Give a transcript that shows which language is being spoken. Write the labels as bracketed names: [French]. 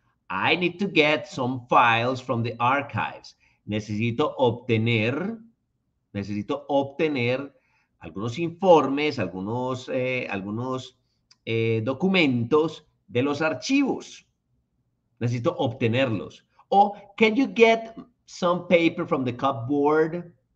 [English] I need to get some files from the archives. [Spanish] Necesito obtener algunos informes, algunos documentos de los archivos. Necesito obtenerlos. [English] O, can you get some paper from the cupboard?